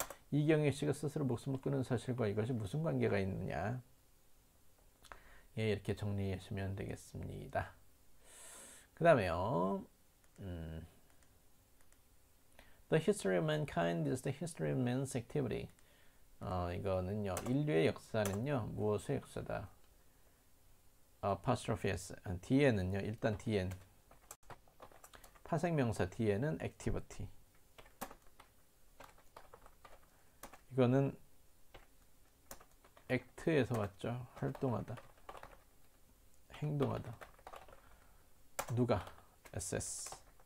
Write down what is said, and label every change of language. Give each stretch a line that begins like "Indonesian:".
Korean: 이경혜 씨가 스스로 목숨을 끊은 사실과 이것이 무슨 관계가 있느냐? 예, 이렇게 정리하시면 되겠습니다. 그 다음에요.
English: The history of mankind is the history of man's activity.
Korean: 이거는요, 인류의 역사는요, 무엇의 역사다? apostrophe s. 뒤에는요, 일단 뒤엔. 파생명사 뒤에는 activity. 이거는 act에서 왔죠. 활동하다. 행동하다. 누가? SS.